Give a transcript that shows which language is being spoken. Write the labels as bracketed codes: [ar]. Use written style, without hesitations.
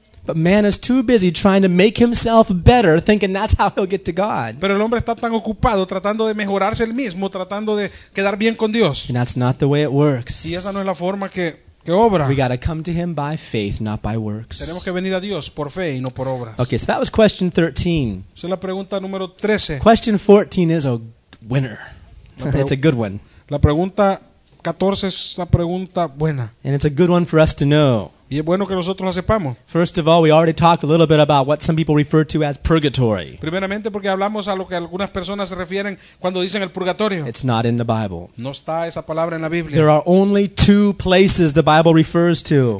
[en] But man is too busy trying to make himself better, thinking that's how he'll get to God. [es] Pero el hombre está tan ocupado tratando de mejorarse el mismo, tratando de quedar bien con Dios. [en] And that's not the way it works. [es] Y esa no es la forma que obra. [en] We gotta come to him by faith, not by works. [es] Tenemos que venir a Dios por fe y no por obras. [en] Okay, so that was question 13. [es] Esa es la pregunta número 13. [en] Question 14 is a winner. It's a good one. [es] La pregunta 14 es la pregunta buena. [en] And it's a good one for us to know. [es] Y es bueno que nosotros lo sepamos. [en] First of all, we already talked a little bit about what some people refer to as purgatory. [es] Primeramente porque hablamos a lo que algunas personas se refieren cuando dicen el purgatorio. [en] It's not in the Bible. [es] No está esa palabra en la Biblia. [en] There are only two places the Bible refers to.